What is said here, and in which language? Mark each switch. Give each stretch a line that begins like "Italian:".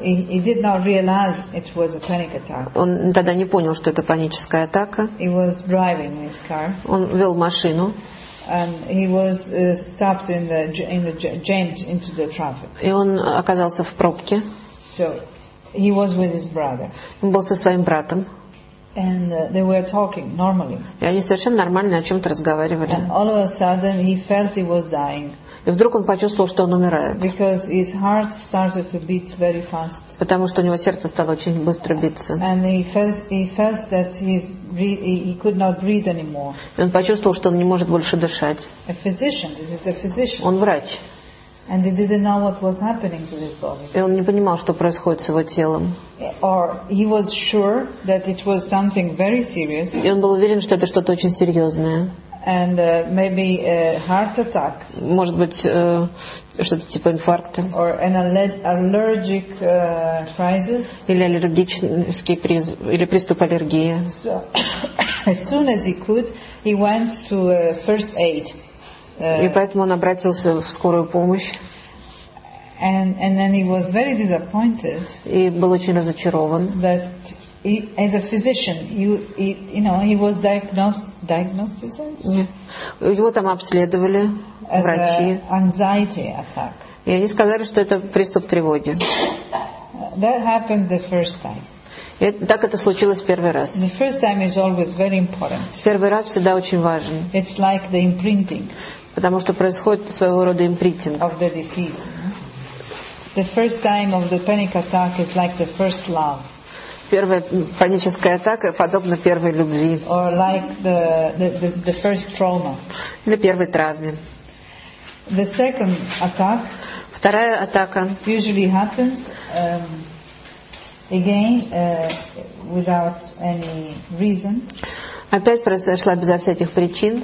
English: He did not realize it was a panic attack.
Russian: Он тогда не понял, что это паническая атака.
English: He was driving his car.
Russian: Он вел машину.
English: And he was stopped in the jammed into the traffic.
Russian: И он оказался в пробке.
English: So he was with his brother.
Russian: Он был со своим братом.
English: And they were talking normally.
Russian: И они совершенно нормально о чем-то разговаривали.
English: And all of a sudden he felt he was dying.
Russian: И вдруг он почувствовал, что он умирает.
English: Because his heart started to beat very fast.
Russian: Потому что у него сердце стало очень быстро биться.
English: And he felt that he could not breathe anymore.
Russian: И он почувствовал, что он не может больше дышать.
English: A physician, this is a physician.
Russian: Он врач.
English: And he didn't know what was happening to his body.
Russian: И он не понимал, что происходит с его телом.
English: Or he was sure that it was something very serious.
Russian: И он был уверен, что это что-то очень серьезное.
English: And maybe a heart attack.
Russian: Может быть, что-то типа инфаркта.
English: Or an allergic crisis.
Russian: Или аллергический или приступ аллергии.
English: So, as soon as he could, he went to first aid.
Russian: И поэтому он обратился в скорую помощь.
English: And then he was very disappointed.
Russian: И был очень разочарован.
English: That he, as a physician, you know, he was diagnosed in a sense.
Russian: Его там обследовали врачи.
English: Anxiety attack.
Russian: И они сказали, что это приступ тревоги.
English: That happened the first time.
Russian: И так это случилось первый раз.
English: The first time is always very important.
Russian: Первый раз всегда очень важен.
English: It's like the imprinting.
Russian: Потому что происходит своего рода импринтинг.
English: Of the disease. The first time of the panic attack is like the first love.
Russian: Первая паническая атака подобна первой любви.
English: Or like the first trauma.
Russian: Или первой травме.
English: The second attack.
Russian: Вторая атака.
English: Usually happens again without any reason.
Russian: Опять произошла безо всяких причин.